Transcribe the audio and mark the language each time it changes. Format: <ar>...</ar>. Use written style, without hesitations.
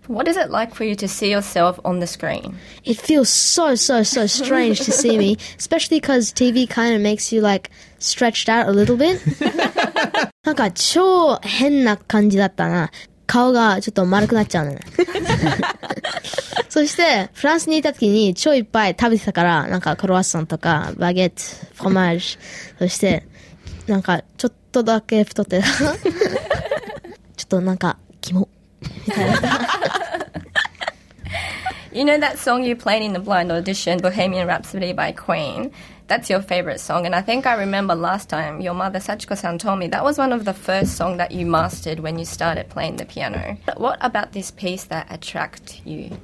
<en>What is it like for you to see yourself on the screen? It feels so, so, so strange to see me, especially because TV kind of makes you like stretched out a little bit.</en> <ja>なんか超変な感じだったな。顔がちょっと丸くなっちゃうね。そしてフランスにいた時に超いっぱい食べてたから、なんかクロワッサンとかバゲット、フォーマージュ、そしてなんかちょっとだけ太ってた。ちょっとなんかキモみたいな。</ja> <en>You know that song you played in the blind audition, Bohemian Rhapsody by Queen? That's your favorite song, and I think I remember last time your mother Sachiko-san told me that was one of the first songs that you mastered when you started playing the piano. But what about this piece that attracted you?</en>